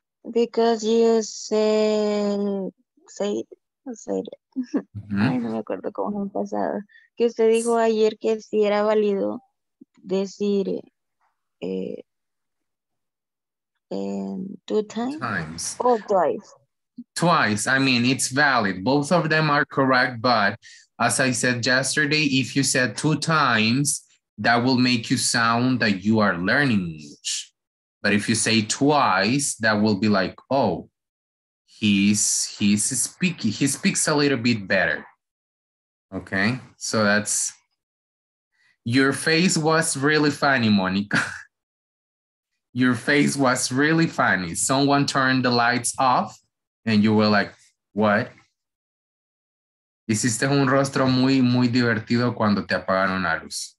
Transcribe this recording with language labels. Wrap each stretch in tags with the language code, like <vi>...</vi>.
<en>Because you said it.</en> <es>Mm-hmm. Ay, no me acuerdo cómo han pasado. Que usted dijo ayer que sí era válido decir</es> <en>two times. Times. Or twice. Twice. I mean, it's valid. Both of them are correct, but as I said yesterday, if you said two times, that will make you sound that you are learning English. But if you say twice, that will be like, oh, he speaks a little bit better. Okay, so that's, your face was really funny, Monica. Your face was really funny. Someone turned the lights off and you were like, what?</en> <es>Hiciste un rostro muy, muy divertido cuando te apagaron la luz.</es>